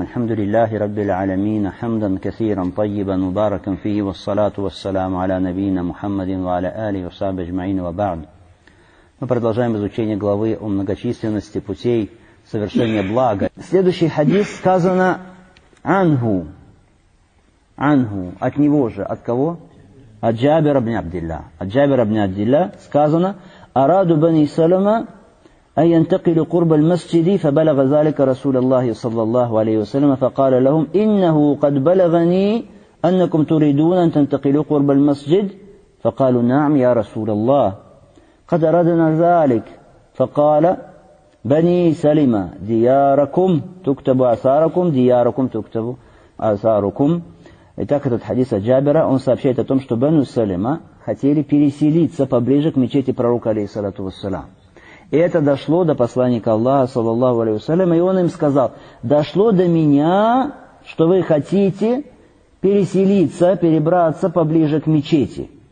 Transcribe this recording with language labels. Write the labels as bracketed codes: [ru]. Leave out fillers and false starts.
[ar] الحمد لله رب العالمين، حمدا كثيرا طيبا مباركا فيه، والصلاة والسلام على نبينا محمد وعلى آله وصحبه أجمعين، وبعد. [ru] Мы продолжаем изучение главы о многочисленности путей совершения блага. Следующий хадис сказано «Анху». «Анху». От него же. От кого? От Джабира ибн Абдилля. От Джабира ибн Абдилля сказано [ar] «Араду бани Салама». أن ينتقل قرب المسجد فبلغ ذلك رسول الله صلى الله عليه وسلم فقال لهم إنه قد بلغني أنكم تريدون أن تنتقلوا قرب المسجد فقالوا نعم يا رسول الله قد أردنا ذلك فقال بني سلمة دياركم تكتب آثاركم دياركم تكتب آثاركم. [ru] Итак, этот хадис от Джабира, он сообщает о том, что Бану Салима хотели переселиться поближе к мечети пророка, алейхиссалату вассалям. И это дошло до посланника Аллаха, саллаллаху алейхи ва саллям, и он им сказал, дошло до меня, что вы хотите переселиться, перебраться поближе к мечети.